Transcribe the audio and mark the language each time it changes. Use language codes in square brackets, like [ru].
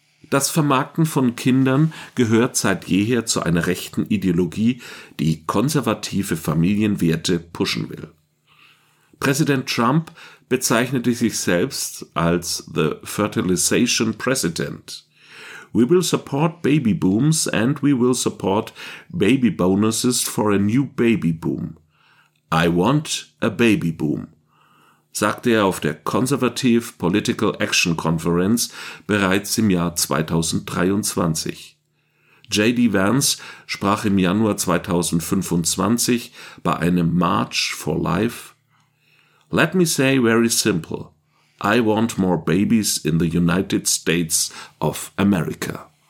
[de] Das Vermarkten von Kindern gehört seit jeher zu einer rechten Ideologie, die konservative Familienwerte pushen will. Präsident Trump bezeichnete sich selbst als The Fertilization President. [en] We will support baby booms and we will support baby bonuses for a new baby boom. I want a baby boom, [de] sagte er auf der Conservative Political Action Conference bereits im Jahr 2023. J.D. Vance sprach im Januar 2025 bei einem March for Life: [en] Let me say very simple, I want more babies in the United States of America.